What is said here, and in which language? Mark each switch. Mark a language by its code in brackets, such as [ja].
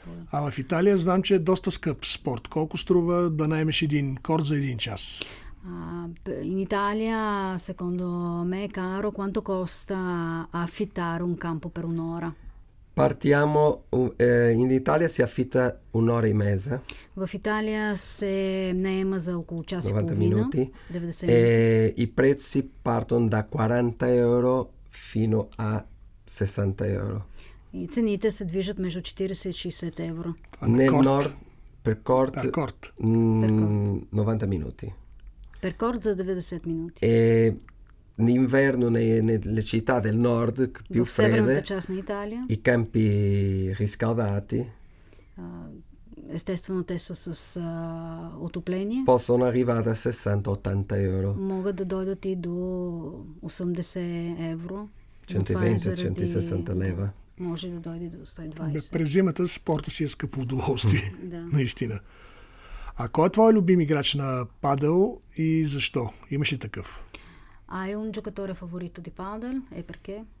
[bg] А в Италия знам, че е доста скъп спорт. Колко струва да наймеш един корт за един час? [it] In Italia, secondo me, caro, quanto costa affittare un campo per un'ora? Partiamo, in Italia si affitta un'ora e mezza. [bg] В Италия се наема за около час и половина. 90 минути. [it] I prezzi partono da 40 euro fino a 60 euro. [bg] И цените се движат между 40 и 60 евро. [it] Нел Норд, Per court. 90 minuti. Per court 90 minuti. E in inverno nelle città del nord, più fredde, i campi riscaldati, [bg] естествено, те са с отопление. [it] Possono arrivare a 60-80 euro. [bg] Могат да дойдат и до 80 евро. 120-160 лева. Може да дойде до 120. През зимата спорта си е скъпо удоволствие. Да. Наистина. А кой е твой любим играч на падел и защо? Имаш ли такъв? [it] Hai un giocatore favorito di padel e perché?